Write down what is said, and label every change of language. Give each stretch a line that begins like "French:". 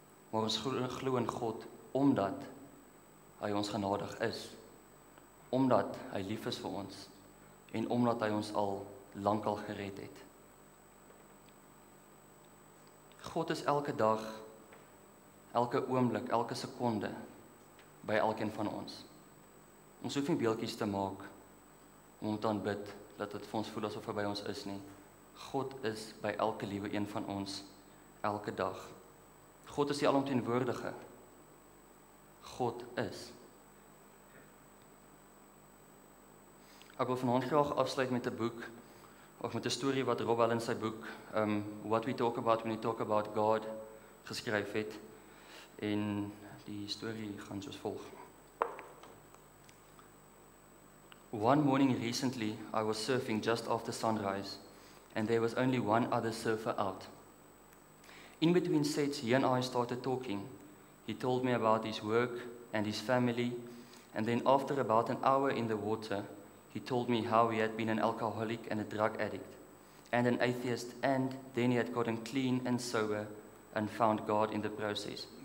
Afrikaans: Maar ons glo in God omdat hy ons genadig is, omdat hy lief is vir ons en omdat hy ons al lankal gered het. God is elke dag, elke oomblik, elke sekonde by elkeen van ons. Ons hoef nie beeldjies te maak om te aanbid dat dit vir ons voel asof hy by ons is nie. God is by elke liewe een van ons elke dag. God is die alomteenwoordige. God is. Ek wil vanaand graag afsluit met 'n boek of met 'n storie wat Rob Allen in sy boek What We Talk About When We Talk About God geskryf het. En die storie gaan soos volg.
English: One morning recently, I was surfing just after sunrise and there was only one other surfer out. In between sets, he and I started talking. He told me about his work and his family, and then after about an hour in the water, he told me how he had been an alcoholic and a drug addict, and an atheist, and then he had gotten clean and sober and found God in the process.